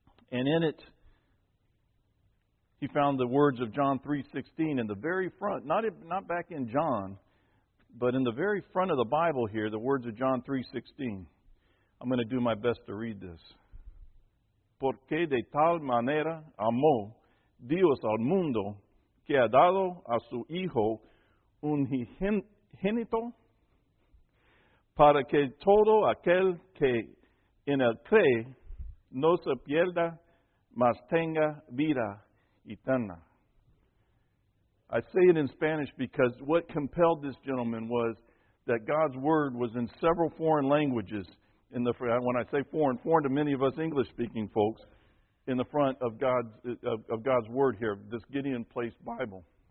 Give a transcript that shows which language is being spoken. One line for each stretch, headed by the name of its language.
English: And in it, he found the words of John 3:16 in the very front, not back in John, but in the very front of the Bible here, the words of John 3:16. I'm going to do my best to read this.
Spanish: Porque de tal manera amó Dios al mundo que ha dado a su Hijo unigénito para que todo aquel que en él cree no se pierda, mas tenga vida eterna.
English: I say it in Spanish because what compelled this gentleman was that God's Word was in several foreign languages. When I say foreign to many of us English-speaking folks, in the front of God's Word here, this Gideon Place Bible.